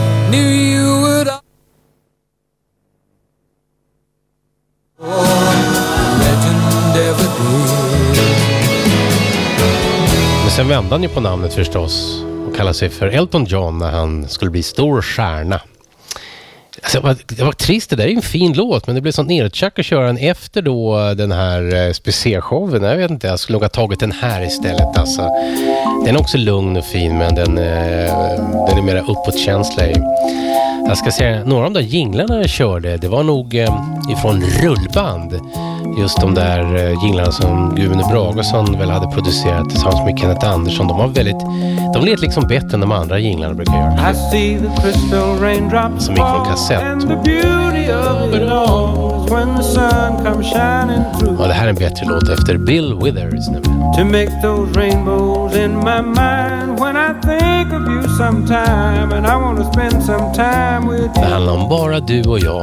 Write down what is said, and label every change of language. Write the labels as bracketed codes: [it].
[en] Knew you would all legend ever be. [sv] Men sen vände han ju på namnet förstås och kallade sig för Elton John när han skulle bli stor stjärna. Alltså, det var trist, det där är ju en fin låt, men det blev sån nedtjack att köra den efter då den här specialshowen. Jag vet inte, jag skulle nog ha tagit den här istället. Alltså, den är också lugn och fin, men den är mera uppåtkänslig. Jag ska säga, några av de där jinglarna jag körde, det var nog ifrån rullband. Just de där jinglarna som Gunnar Bragason väl hade producerat tillsammans med Kenneth Andersson. De lät liksom bättre än de andra jinglarna brukar göra. [en] I see the crystal raindrops [sv] som gick från kassett. [en] And the beauty of it all when the sun comes shining through. [sv] Ja, det här är en bättre låt efter Bill Withers. [en] To make those rainbows in my mind when I think of you sometime and I want to spend some time with you. [sv] Det handlar om bara du och jag.